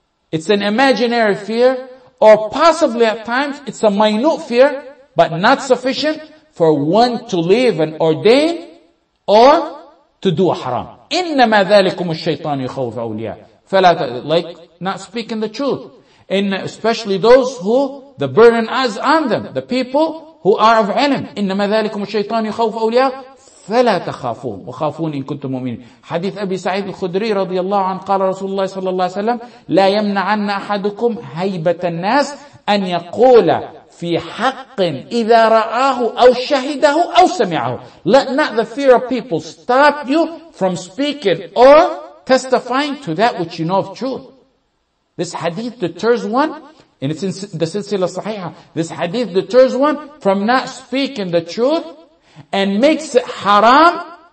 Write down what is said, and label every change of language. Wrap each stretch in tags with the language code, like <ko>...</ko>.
<en>It's an imaginary fear, or possibly at times, it's a minute fear, but not sufficient for one to leave an ordain or to do a haram.</en> <ar>إِنَّمَا ذَلِكُمُ الشَّيْطَانُ يُخَوْفَ أَوْلِيَاءَ</ar> <en>Like, not speaking the truth. And especially those who, the burden is on them, the people who are of ilm.</en> <ar>إِنَّمَا ذَلِكُمُ الشَّيْطَانُ يُخَوْفَ أَوْلِيَاءَ فَلَا تَخَافُونَ وَخَافُونَ إِن كُنْتُمْ مُؤْمِنِينَ حديث أبي سعيد الخدري رضي الله عنه قال رسول الله صلى الله عليه وسلم لا يمنعن أحدكم هيبة الناس أن يقول في حق إذا رآه أو شهده أو سمعه.</ar> <en>Let not the fear of people stop you from speaking or testifying to that which you know of truth. This hadith deters one, and it's in the Silsila Sahiha. This hadith deters one from not speaking the truth and makes it haram.</en>